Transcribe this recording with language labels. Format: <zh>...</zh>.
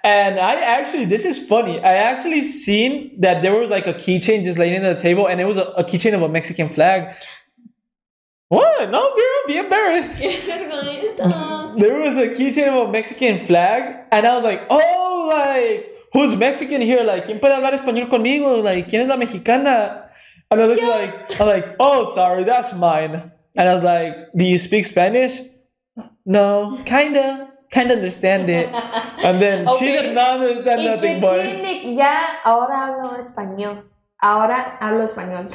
<en>And I actually seen that there was like a keychain just laying on the table, and it was a keychain of a Mexican flag. What? No, girl, be embarrassed. There was a keychain of a Mexican flag, and I was like, oh, like, who's Mexican here?</en> <es>Like, ¿quién puede hablar español conmigo? Like, ¿quién es la mexicana?</es> <en>And I was like, I'm like, oh, sorry, that's mine. And I was like, do you speak Spanish? No, kind of understand it. And then okay. She did not understand nothing, boy.</en> <es>Ya, ahora hablo español. Ahora hablo español.</es>